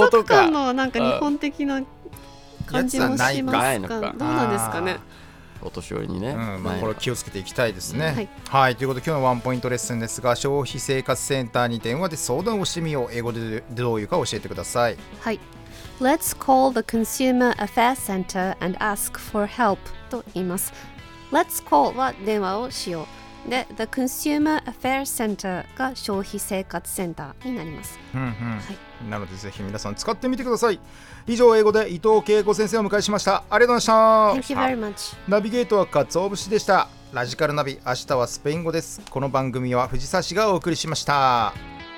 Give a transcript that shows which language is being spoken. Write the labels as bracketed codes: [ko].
[ja] 族間のなんか日本的な感じもしますか、かどうなんですかね、お年寄りにね、うん、まあ、これ気をつけていきたいですね、うん、はい、ということで今日のワンポイントレッスンですが、消費生活センターに電話で相談をしてみよう、英語でどういうか教えてください。 [en] はい、Let's call the Consumer Affairs Center and ask for help [ja] と言います。 [en] Let's call [ja] は電話をしよう。で、 [en] The Consumer Affairs Center [ja] が消費生活センターになります。うんうん、はい、なのでぜひ皆さん使ってみてください。以上、英語で伊藤恵子先生を迎えしました。ありがとうございました。 [en] Thank you very much. [ja] ナビゲートはカツオ節でした。ラジカルナビ、明日はスペイン語です。この番組は藤沢市がお送りしました。